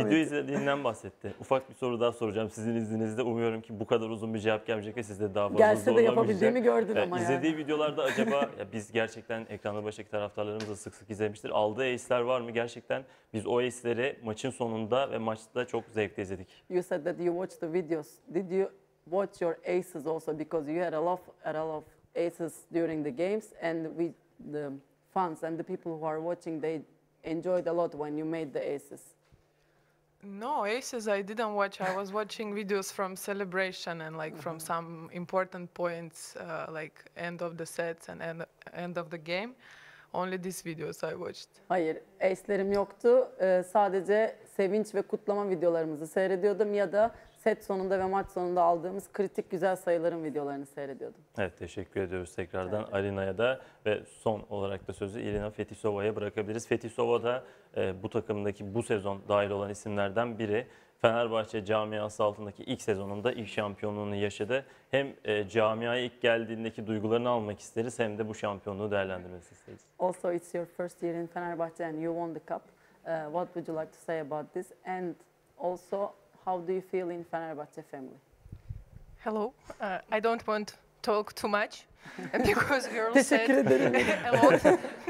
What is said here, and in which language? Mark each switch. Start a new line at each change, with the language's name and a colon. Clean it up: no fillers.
Turkish: edeceğim. Video izlediğinden bahsetti. Ufak bir soru daha soracağım sizin izninizle. Umuyorum ki bu kadar uzun bir cevap gelmeyecek ve siz de daha fazla zorlamayacak. Gelse de yapabildiğimi gördün ama. İzlediği videolarda acaba ya biz gerçekten ekranlar başındaki taraftarlarımızı sık sık izlemiştir. Aldığı ace'ler var mı? Gerçekten biz o ace'leri maçın sonunda ve maçta çok zevkle izledik.
English: You said that you watched the videos. Did you watch your aces also because you had a lot of aces during the games, and we, the fans and the people who are watching, they enjoyed a lot when you made the aces. No, aces I didn't watch. I was watching videos from celebration and like mm-hmm. from some important points, like end of the sets and end of the game. Only these videos I watched.
Turkish: Hayır, ace'lerim yoktu. Sadece sevinç ve kutlama videolarımızı seyrediyordum ya da set sonunda ve maç sonunda aldığımız kritik güzel sayıların videolarını seyrediyordum. Evet, teşekkür ediyoruz tekrardan evet. Arina'ya da ve son olarak da sözü Irina Fetisova'ya bırakabiliriz. Fetisova da bu takımdaki bu sezon dahil olan isimlerden biri. Fenerbahçe camiası altındaki ilk sezonunda ilk şampiyonluğunu yaşadı. Hem camiaya ilk geldiğindeki duygularını almak isteriz hem de bu şampiyonluğu değerlendirmesi isteriz.
English: Also it's your first year in Fenerbahçe and you won the cup. What would you like to say about this? And also how do you feel in Fenerbahçe family? Hello. I don't want to talk too much because girls said a lot.